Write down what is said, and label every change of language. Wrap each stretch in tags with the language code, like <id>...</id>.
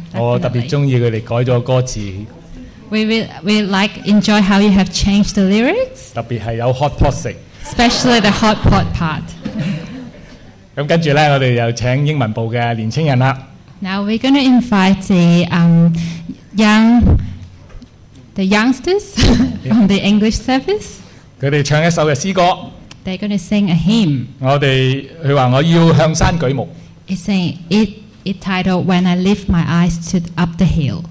<yue>我特別中意佢哋改咗歌詞。</yue> <en>We like enjoy how you have changed the lyrics.</en> <yue>特別係有 hot pot 食。</yue> <en>Especially the hot pot part.</en> <yue>咁跟住咧，我哋又請英文部嘅年青人啦。</yue> <en>Now we're going to invite the youngsters from the English service.</en> <yue>佢哋唱一首嘅詩歌。</yue> <en>They're going to sing a hymn.</en> <yue>佢話我要向山舉目。</yue> <en>It's saying it titled When I Lift My Eyes to Up the Hill.</en>